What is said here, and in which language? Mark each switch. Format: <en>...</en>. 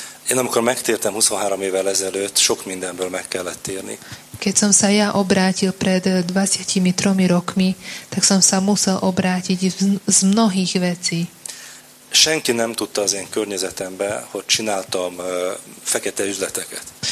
<hu>Én amikor megtértem 23 évvel ezelőtt, sok mindenből meg kellett térni.</hu> <sk>Keď som sa ja obrátil pred 23 rokmi, tak som sa musel obrátiť z mnohých vecí.</sk> <hu>Senki nem tudta az én környezetembe, hogy csináltam fekete üzleteket.</hu>